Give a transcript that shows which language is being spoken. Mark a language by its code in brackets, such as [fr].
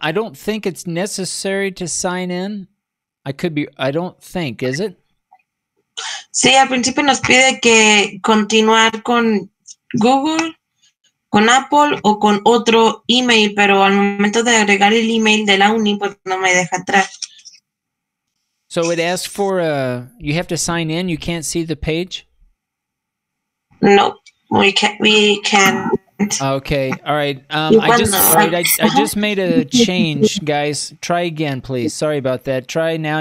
[en] I don't think it's necessary to sign in. Is it? [es] Sí, al principio nos pide que continuar con Google, con Apple o con otro email, pero al momento de agregar el email de la uni, pues no me deja entrar. [en] So it asks for you have to sign in. You can't see the page? Nope. We can't. Okay. All right. I just made a change, guys. Try again, please. Sorry about that. Try now.